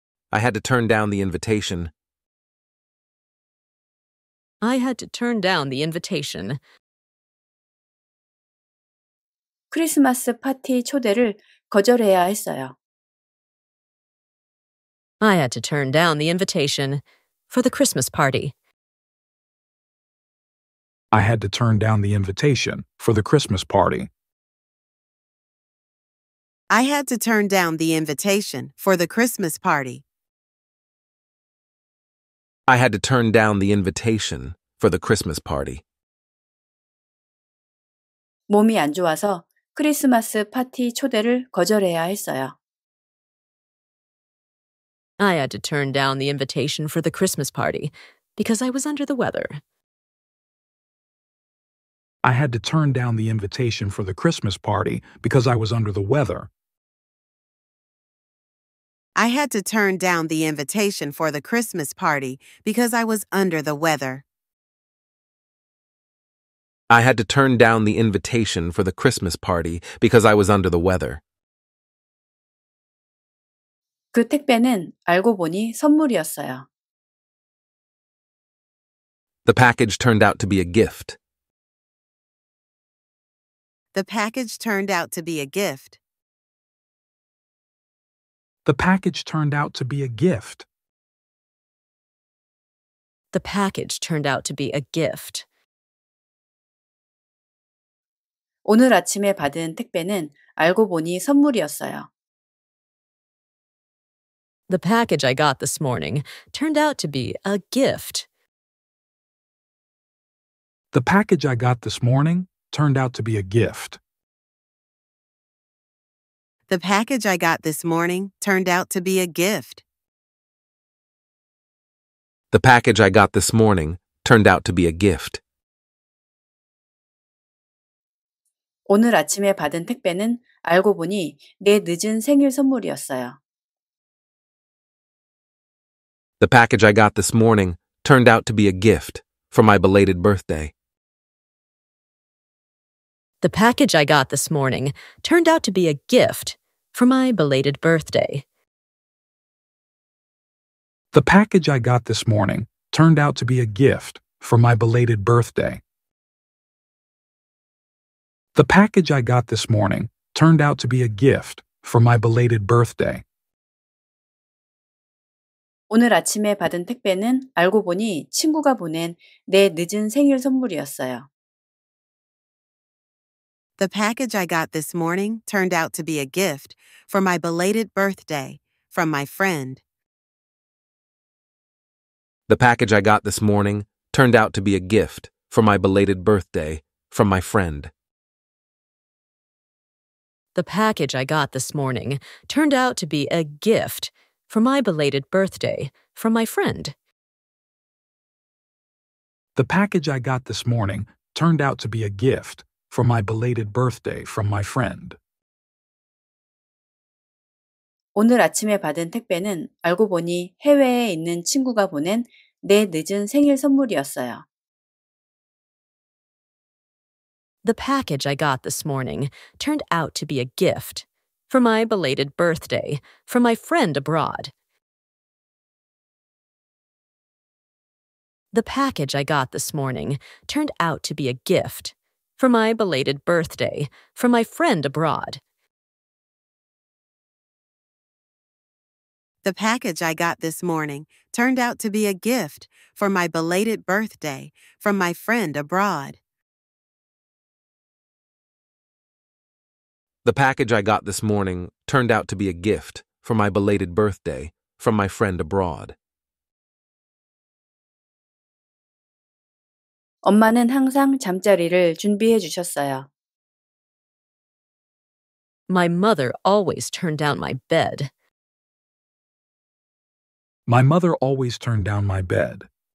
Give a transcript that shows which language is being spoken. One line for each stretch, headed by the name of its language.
English: I had to turn down the invitation. I had to turn down the invitation.
Korean: 크리스마스 파티 초대를 거절해야 했어요.
English: I had to turn down the invitation for the Christmas party. I had to turn down the invitation for the Christmas party. I had to turn down the invitation for the Christmas party. I had to turn down the invitation for the Christmas party.
Korean: 몸이 안 좋아서 크리스마스 파티 초대를 거절해야 했어요.
English: I had to turn down the invitation for the Christmas party because I was under the weather. I had to turn down the invitation for the Christmas party because I was under the weather. I had to turn down the invitation for the Christmas party because I was under the weather. I had to turn down the invitation for the Christmas party because I was under the weather.
Korean: 그 택배는 알고 보니 선물이었어요.
English: The package turned out to be a gift. The package turned out to be a gift. The package turned out to be a gift. The package turned out to be a gift.
Korean: 오늘 아침에 받은 택배는 알고 보니 선물이었어요.
English: The package I got this morning turned out to be a gift. The package I got this morning turned out to be a gift. The package I got this morning turned out to be a gift. The package I got this morning turned out to be a gift.
Korean: 오늘 아침에 받은 택배는 알고 보니 내 늦은 생일 선물이었어요.
English: The package I got this morning turned out to be a gift for my belated birthday. The package I got this morning turned out to be a gift for my belated birthday. The package I got this morning turned out to be a gift for my belated birthday. The package I got this morning turned out to be a gift for my belated birthday.
Korean: 오늘 아침에 받은 택배는 알고 보니 친구가 보낸 내 늦은 생일 선물이었어요.
English: The package I got this morning turned out to be a gift for my belated birthday from my friend. The package I got this morning turned out to be a gift for my belated birthday from my friend. The package I got this morning turned out to be a gift for my belated birthday from my friend. The package I got this morning turned out to be a gift for my belated birthday from my friend.
Korean: 오늘 아침에 받은 택배는 알고 보니 해외에 있는 친구가 보낸 내 늦은 생일 선물이었어요.
English: The package I got this morning turned out to be a gift for my belated birthday from my friend abroad. The package I got this morning turned out to be a gift for my belated birthday from my friend abroad. The package I got this morning turned out to be a gift for my belated birthday from my friend abroad. The package I got this morning turned out to be a gift for my belated birthday from my friend abroad.
Korean: 엄마는 항상 잠자리를 준비해 주셨어요.
English: My mother always turned down my bed. My mother always turned down my bed.